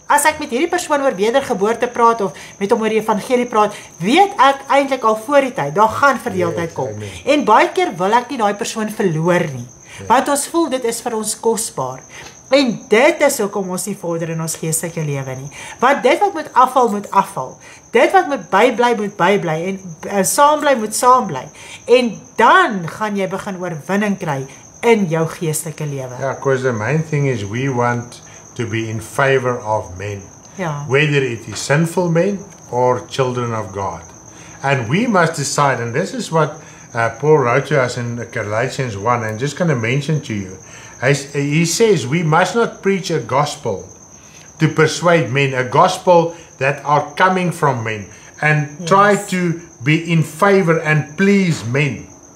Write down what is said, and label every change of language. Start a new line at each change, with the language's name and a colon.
Afrikaans: As ek met hierdie persoon oor wedergeboorte praat of met hom oor die evangelie praat, weet ek eintlik al voor die tyd, daar gaan verdeeldheid kom. En baie keer wil ek nie daai persoon verloor nie, want ons voel dit is vir ons kosbaar. En dit is hoekom ons nie vorder in ons geestelike lewe nie. Want dit wat moet afval, moet afval. Dit wat moet bybly, moet bybly. En saambly, moet saambly. En dan gaan jy begin oorwinning kry in jou geestelike lewe.
English: Yeah, because the main thing is we want to be in favor of men. Yeah. Whether it is sinful men or children of God. And we must decide, and this is what Paul wrote to us in Galatians 1, and I'm just going to mention to you. He says we must not preach a gospel to persuade men, a gospel that are coming from men, and yes, try to be in favor and please men.